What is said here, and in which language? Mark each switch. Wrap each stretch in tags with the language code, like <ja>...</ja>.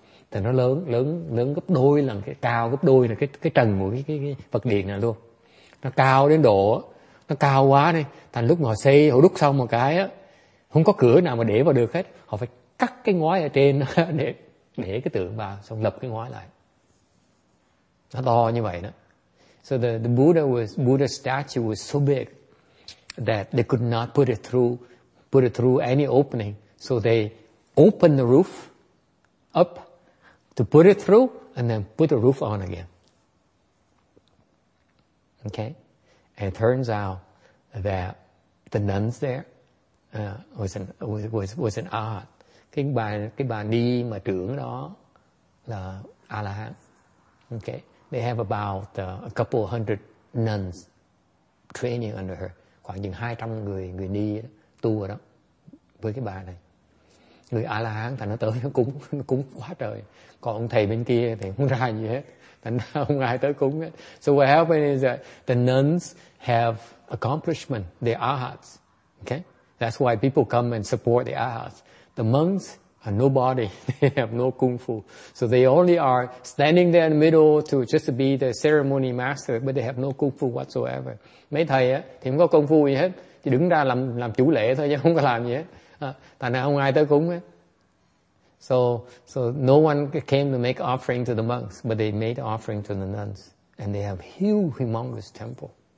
<vi>Thì nó lớn gấp đôi lần cái cao gấp đôi là cái trần của cái Phật điện này luôn. Nó cao đến độ nó cao quá đi, thành lúc mà họ xây họ đúc xong một cái á, không có cửa nào mà để vào được hết, họ phải cắt cái ngói ở trên để cái tượng vào xong lập cái ngói lại. Nó to như vậy đó.</vi> <en>So the Buddha statue was so big that they could not put it through any opening. So they opened the roof up to put it through and then put the roof on again. Okay? And it turns out that the nuns there was an art.</en> <vi>Cái bà ni mà trưởng đó là A-la-hán.</vi> <en>Okay? They have about a couple of hundred nuns training under her.</en> <vi>Khoảng chừng 200 người ni tu ở đó với cái bà này. Người A-la-hán thì nó tới nó cúng quá trời. Còn ông thầy bên kia thì không ra gì hết. Thành không ai tới cúng hết.</vi> <en>So what happened is that the nuns have accomplishment. They are arhats. Okay? That's why people come and support the arhats. The monks are nobody. They have no kung fu. So they only are standing there in the middle to just to be the ceremony master. But they have no kung fu whatsoever.</en> <vi>Mấy thầy á, thì không có kung fu gì hết. Chỉ đứng ra làm chủ lễ thôi chứ không có làm gì hết. Thành không ai tới cúng hết.</vi> <en>So no one came to make offering to the monks, but they made offering to the nuns, and they have huge, humongous temple.</en>